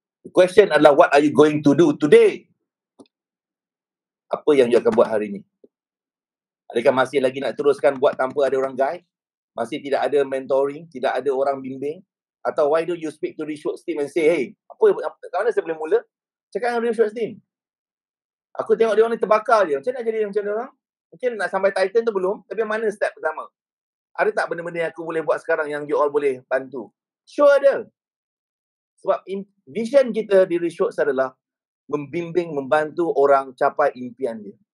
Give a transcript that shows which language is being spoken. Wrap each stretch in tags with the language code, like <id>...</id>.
<en>Question adalah, what are you going to do today?</en> <ms>Apa yang you akan buat hari ini? Adakah masih lagi nak teruskan buat tanpa ada orang guide? Masih tidak ada mentoring? Tidak ada orang bimbing?</ms> <en>Atau why don't you speak to Richard's team and say, hey,</en> <ms>apa mana saya boleh mula? Cakap dengan Richard's team. Aku tengok dia orang ni terbakar je. Macam nak jadi macam dia orang? Mungkin nak sampai Titan tu belum, tapi mana step pertama? Ada tak benda-benda yang aku boleh buat sekarang yang you all boleh bantu? Sure ada. Sebab vision kita di Reshorts adalah membimbing, membantu orang capai impian dia.</ms>